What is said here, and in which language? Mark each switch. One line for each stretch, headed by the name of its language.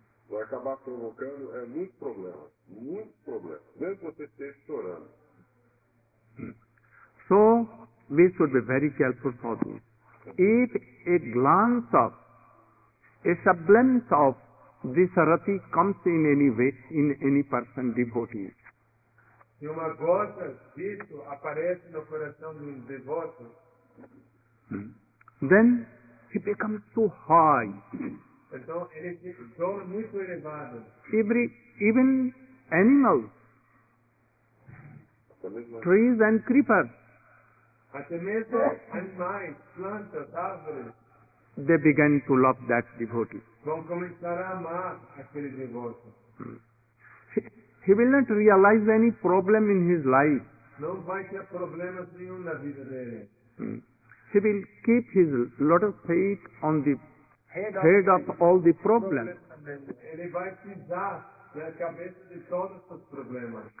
Portuguese: Vai acabar provocando muitos problemas, muitos problemas, mesmo você esteja chorando.
English: So, we should be very careful for this. If a glance of, a semblance of this rati comes in any way, in any person, devotee,
Portuguese: se uma gota disso aparece no coração de um devoto,
English: then he becomes so high.
Portuguese: Então ele fica muito elevado.
English: Even animals, trees and creepers,
Portuguese: até mesmo animais, plantas, árvores,
English: they begin to love that devotee.
Portuguese: Vão começar a amar aquele devoto.
English: He will not realize any problem in his life.
Portuguese: Não vai ter problemas nenhum na vida dele.
English: He will keep his lot of faith on the head of all the problems.
Portuguese: Ele vai pisar na cabeça de todos os problemas.